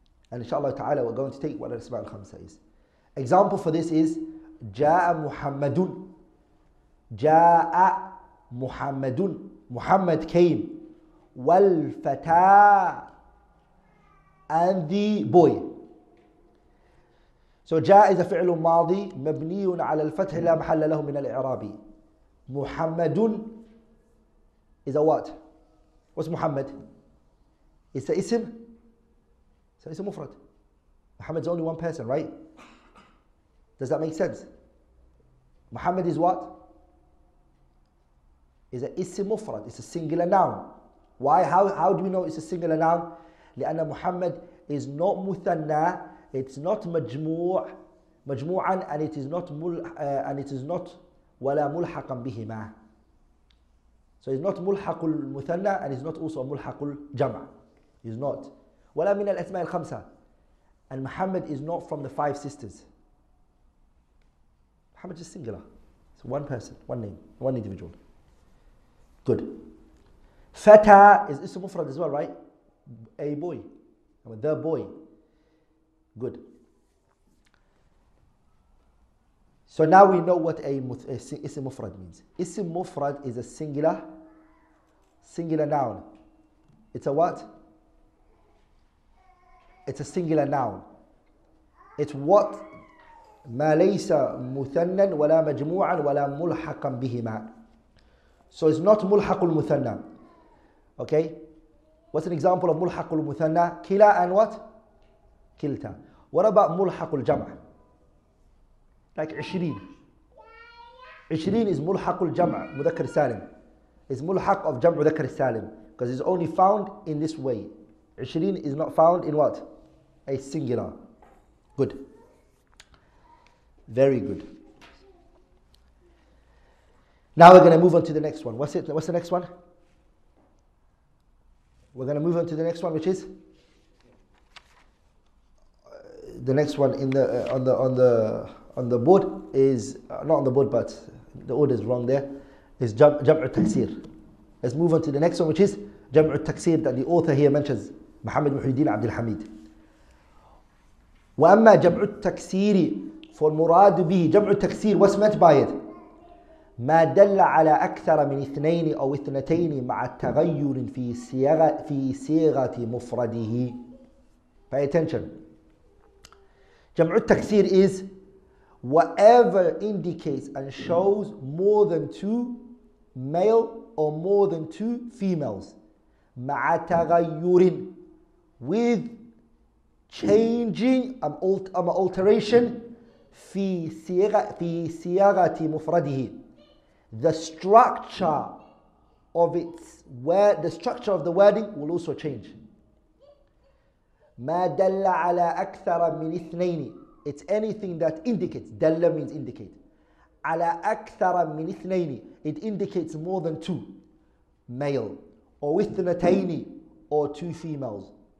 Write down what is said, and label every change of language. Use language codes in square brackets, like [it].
[en] And inshallah ta'ala, we're going to take what الْأَسْمَاءُ الْخَمْسَةِ is. Example for this is [ar] جَاءَ مُحَمَّدٌ جَاءَ مُحَمَّدٌ [en] Muhammad came. [ar] وَالْفَتَى [en] And the boy. So [ar] جاء [en] is a [ar] فعل ماضي مبني على الفتح لا محل له من الإعرابي. [en] محمد is a what? What's محمد? It's a اسم. It's a اسم مفرد. محمد is only one person, right? Does that make sense? محمد is what? It's a اسم مفرد. It's a singular noun. Why? How do we know it's a singular noun? لأن محمد is not مثنى. It's not majmu'an and it is not [ar] wala mulhaqan bihima. [en] So it's not mulhaqul muthanna and it's not also mulhaqul jam'a. It's not. [ar] Wala min al asma' al khamsa. [en] And Muhammad is not from the five sisters. Muhammad is singular. It's one person, one name, one individual. Good. Fata is ism mufrad as well, right? A boy. The boy. Good. So now we know what ism mufrad means. Ism mufrad is a singular noun. It's a what? It's a singular noun. It's what? [ar] ما ليس مثنى ولا مجموعا ولا ملحقا بهما. [en] So it's not ملحق المثنى. Okay. What's an example of ملحق المثنى? كلا and what? [ar] كلتا. [en] What about ملحق الجمع? Like 20. 20 is ملحق الجمع, مذكر سالم. It's ملحق of جمع مذكر سالم. Because it's only found in this way. 20 is not found in what? A singular. Good. Very good. Now we're going to move on to the next one. What's it? What's the next one? We're going to move on to the next one, which is? The next one in the on the board is not on the board, but the order is wrong. There is jam'u taksir. Let's move on to the next one, which is jam'u taksir that the author here mentions, Muhammad Muhyiddin Abdul Hamid. [ar] وأما جمعُ التكسير فالمراد به جمعُ التكسير. [en] What's meant by it? [ar] ما دل على أكثر من اثنين أو اثنتين مع تغير في صيغة مفرده. [en] Pay attention. جمع التكسير is whatever indicates and shows more than two male or more than two females. [ar] مع تغير [en] with changing alteration [ar] في صيغة مفرده. [en] The structure of its word, the structure of the wording will also change. [ar] ما دل على أكثر من اثنين. [en] It's anything that indicates. دل means indicate. [ar] على أكثر من اثنين. [en] It indicates more than two. Male. [ar] أو اثنتين. [en] or two females.